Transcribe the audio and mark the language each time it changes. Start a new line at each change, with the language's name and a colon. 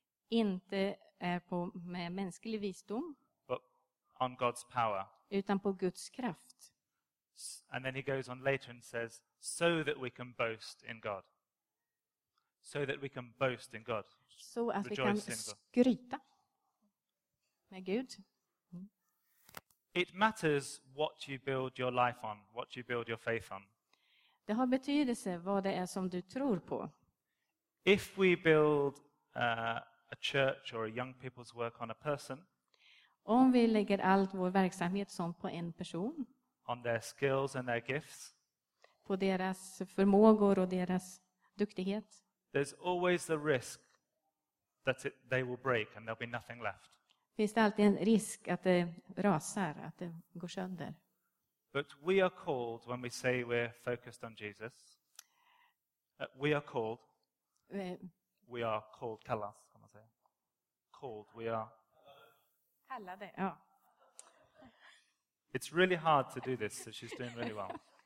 Swedish: inte är på med mänsklig visdom,
English: but on God's power,
Swedish: utan på Guds kraft.
English: And then he goes on later and says, so that we can boast in God, so that we can boast in God,
Swedish: så att vi kan skryta med Gud.
English: It matters what you build your life on, what you build your faith on.
Swedish: Det har betydelse vad det är som du tror på.
English: If we build a church or a young people's work on a person,
Swedish: om vi lägger allt vår verksamhet som på en person,
English: on their skills and their gifts,
Swedish: på deras förmågor och deras duktighet,
English: there's always the risk that they will break and there'll be nothing left.
Swedish: Finns det alltid en risk att det rasar, att det går sönder.
English: But we are called when we say we're focused on Jesus. We are called.
Swedish: Ja.
English: It's really hard to do this, so she's doing really well.